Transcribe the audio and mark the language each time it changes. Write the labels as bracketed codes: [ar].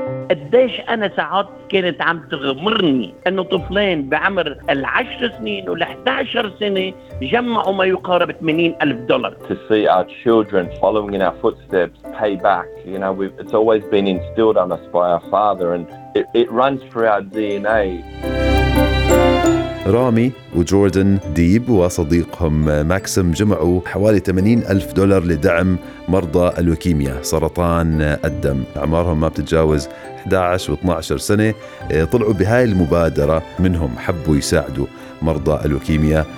[ar] قديش أنا ساعات كانت عم تغمرني أنه طفلين بعمر العشر سنين والأحداشر سنة جمعوا ما يقارب 80,000 دولار. [en] To see our children following in our footsteps pay back, you know, it's always been instilled on us by our father and it runs through our DNA. [ar] رامي وجوردن ديب وصديقهم ماكسيم جمعوا حوالي 80,000 دولار لدعم مرضى اللوكيميا سرطان الدم. أعمارهم ما بتتجاوز 11 و12 سنة. طلعوا بهاي المبادرة منهم حبوا يساعدوا مرضى اللوكيميا.